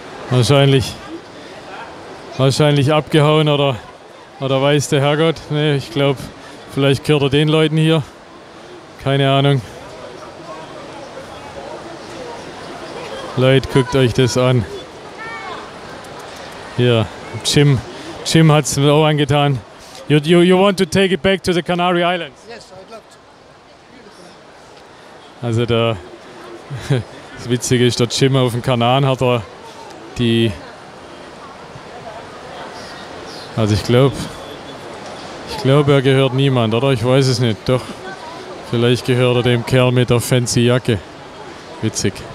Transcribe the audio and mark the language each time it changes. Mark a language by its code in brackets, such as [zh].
[de] wahrscheinlich abgehauen oder weiß der Herrgott. Ne, ich glaube, vielleicht gehört er den Leuten hier. Keine Ahnung. Leute, guckt euch das an. Hier, Jim hat es mir auch angetan. [en] You want to take it back to the Canary Islands? Yes, I'd love to. [de] Also da, das Witzige ist, der Jim auf dem Kanaren hat er die, also ich glaube, er gehört niemand, oder? Ich weiß es nicht, doch. Vielleicht gehört er dem Kerl mit der fancy Jacke. Witzig.